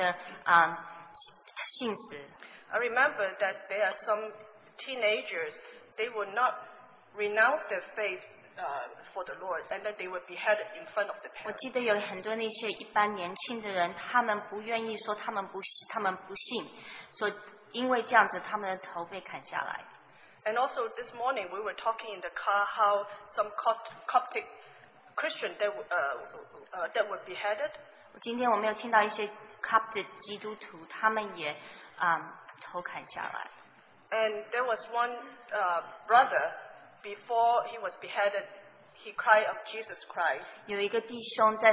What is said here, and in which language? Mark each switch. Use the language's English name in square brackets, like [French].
[Chinese] 我摸到我的心是这些圣徒们，他们都对神的他们的信心非常的信实。 [English] I remember that there are some teenagers, they would not renounce their faith for the Lord, and then they would be beheaded in front of the parents. [Chinese] 我记得有很多那些一般年轻的人，他们不愿意说他们不信，说因为这样子他们的头被砍下来。 [English] And also this morning we were talking in the car how some Coptic Christian that were beheaded. [Chinese] 今天我没有听到一些 Coptic 基督徒他们也 头砍下来。 [English] And there was one brother before he was beheaded, he cried of Jesus Christ.